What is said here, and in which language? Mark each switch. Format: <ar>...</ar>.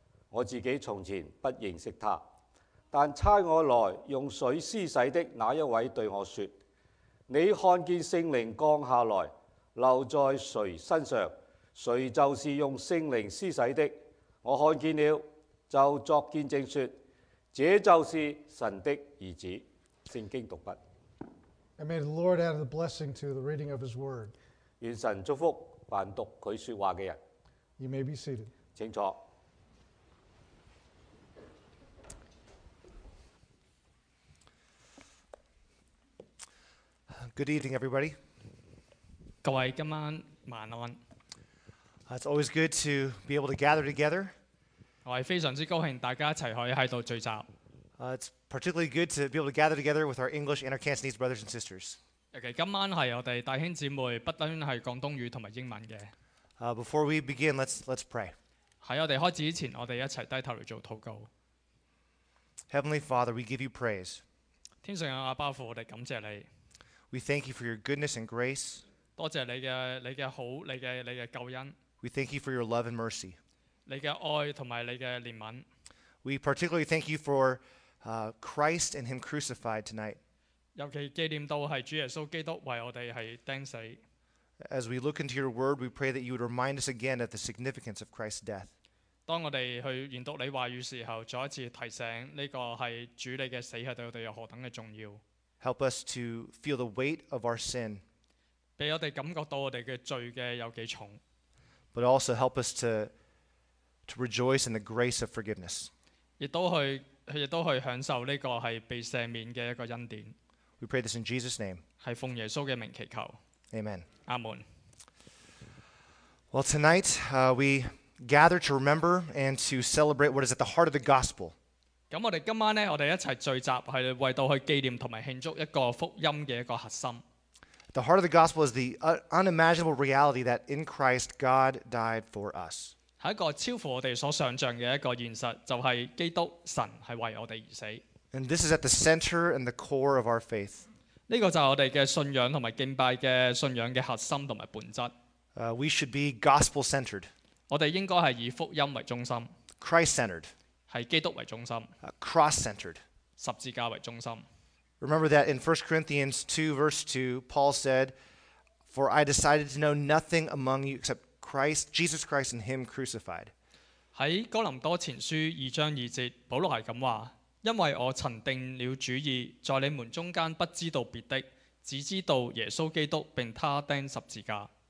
<zh>我自己从前不认识他，但差我来用水施洗的那一位对我说，你看见圣灵降下来留在谁身上，谁就是用圣灵施洗的。我看见了，就作见证说，这就是神的儿子。圣经读毕。</zh> <en>And may the Lord add a blessing to the reading of his word.</en> <zh>愿神祝福凡读祂说话的人。</zh> <en>You may be seated.</en> <zh>请坐。</zh> <en>Good evening, everybody.</en> <zh>各位今晚晚安。</zh> <en>It's always good to be able to gather together.</en> <zh>我是非常高兴大家一起可以在这里聚集。</zh> <en>It's particularly good to be able to gather together with our English and our Cantonese brothers and sisters.</en> <zh>Okay, 今晚是我们弟兄姊妹不单是广东语和英文的。</zh> <en>Before we begin, let's pray.</en> <zh>在我们开始之前，我们一起低头来做祷告。</zh> <en>Heavenly Father, we give you praise.</en> <zh>天上的阿爸父，我们感谢你。</zh> <en>We thank you for your goodness and grace.</en> <zh>多谢你的好，你的救恩。</zh> <en>We thank you for your love and mercy.</en> <zh>你的爱和你的怜悯。</zh> <en>We particularly thank you for Christ and Him crucified tonight.</en> <zh>尤其纪念到是主耶稣基督为我们是钉死。</zh> <en>As we look into your word, we pray that you would remind us again of the significance of Christ's death.</en> <zh>当我们去研读你话语时候，再一次提醒这个是主你的死对我们有何等的重要。</zh> <en>Help us to feel the weight of our sin.</en> <zh>让我们感觉到我们的罪的有多重。</zh> <en>But also help us to rejoice in the grace of forgiveness.</en> <zh>亦都去享受这个是被赦免的一个恩典。</zh> <en>We pray this in Jesus' name.</en> <zh>是奉耶稣的名祈求。</zh> <en>Amen. Amen. Well, tonight, we gather to remember and to celebrate what is at the heart of the gospel.</en> <zh>那我们今晚呢，我们一起聚集是为到去纪念和庆祝一个福音的一个核心。</zh> <en>The heart of the gospel is the unimaginable reality that in Christ, God died for us.</en> <zh>是一个超乎我们所想象的一个现实，就是基督神是为我们而死。</zh> <en>And this is at the center and the core of our faith.</en> <zh>这个就是我们的信仰和敬拜的信仰的核心和本质。</zh> <en>We should be gospel-centered.</en> <zh>我们应该是以福音为中心。</zh> <en>Christ-centered.</en> <zh>是基督为中心。</zh> <en>Cross-centered.</en> <zh>十字架为中心。</zh> <en>Remember that in 1 Corinthians 2, verse 2, Paul said, For I decided to know nothing among you except Christ, Jesus Christ and Him crucified.</en> <zh>在哥林多前书二章二节，保罗是这样说，因为我曾定了主意，在你们中间不知道别的，只知道耶稣基督并他钉十字架。</zh>